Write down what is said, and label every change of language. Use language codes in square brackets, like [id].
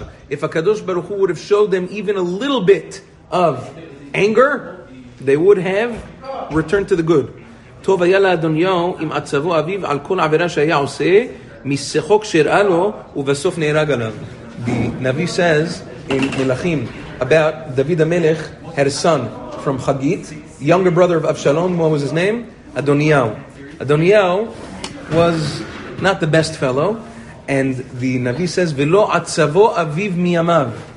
[en] If HaKadosh Baruch Hu would have showed them even a little bit of anger, they would have returned to the good. [he] טוב היה לאדוניו עם עצבו אביו על כל עבירה שהיה עושה משחוק שראה לו ובסוף נהרג עליו. [en] The Navi says in Melachim about David המלך had a son from Chagit, younger brother of Avshalom. What was his name? Adoniyahu. Adoniyahu was not the best fellow, and the Navi says [he] ולא עצבו אביו מימיו.